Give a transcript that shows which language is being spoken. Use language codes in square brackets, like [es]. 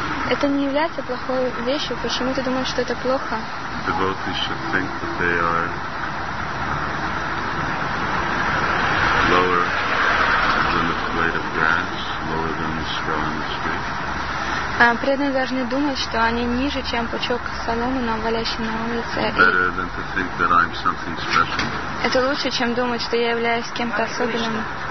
[ru] Это не является плохой вещью. Почему ты думаешь, что это плохо? [en] Devotees should think that they are lower than the blade of grass, lower than the straw in the street. [ru] Преданные должны думать, что они ниже, чем пучок соломы, валяющий на улице. [en] Better than to think that I'm something special. [ru] Это лучше, чем думать, что я являюсь кем-то особенным.